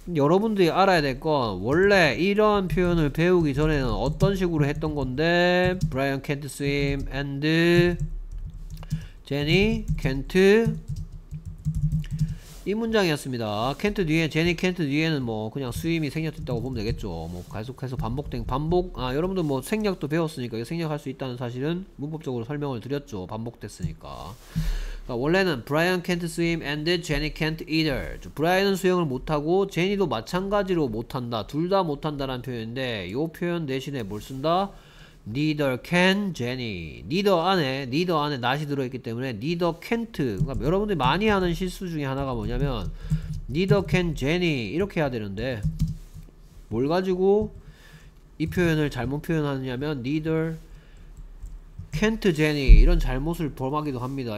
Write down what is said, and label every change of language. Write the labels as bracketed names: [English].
[Korean] 여러분들이 알아야 될 건 원래 이러한 표현을 배우기 전에는 어떤 식으로 했던 건데 [English] Brian can't swim and Jenny can't [Korean] 이 문장이었습니다. can't 뒤에 제니 can't 뒤에는 뭐 그냥 수임이 생략됐다고 보면 되겠죠. 뭐 계속해서 반복된 반복 아 여러분들 뭐 생략도 배웠으니까 이거 생략할 수 있다는 사실은 문법적으로 설명을 드렸죠. 반복됐으니까. 그러니까 원래는 [English] Brian can't swim and Jenny can't either. [Korean] 브라이언은 수영을 못하고 제니도 마찬가지로 못한다. 둘 다 못한다라는 표현인데 이 표현 대신에 뭘 쓴다? [English] Neither can Jenny. Neither [Korean] 안에 not이 들어있기 때문에 [English] neither can't. [Korean] 그러니까 여러분들이 많이 하는 실수 중에 하나가 뭐냐면 [English] neither can Jenny [Korean] 이렇게 해야 되는데 뭘 가지고 이 표현을 잘못 표현하느냐면 [English] neither can't Jenny [Korean] 이런 잘못을 범하기도 합니다.